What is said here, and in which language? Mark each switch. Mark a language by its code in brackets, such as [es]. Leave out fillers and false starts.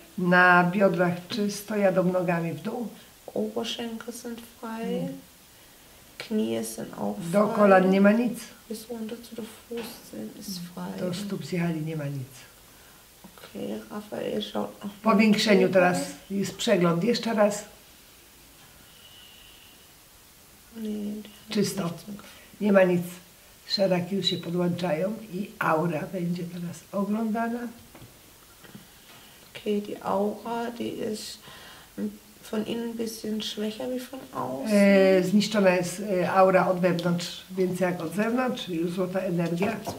[pl] Na biodrach czysto, jadą nogami w dół. [de] Oberschenkel sind frei. Knie sind auch frei. [pl] Do kolan nie ma nic. [de] Bis runter zu der Fuß ist frei. [pl] Do stóp zjechali, nie ma nic. [de] Okay, Rafael schaut noch. [pl] Po powiększeniu teraz jest przegląd. Jeszcze raz. Nie, czysto. Nie ma nic. Szeraki już się podłączają i aura będzie teraz oglądana. [de] Okay, die aura, die ist von innen ein bisschen schwächer wie von außen. [pl] Zniszczona jest aura od wewnątrz, więc jak od zewnątrz, już złota energia.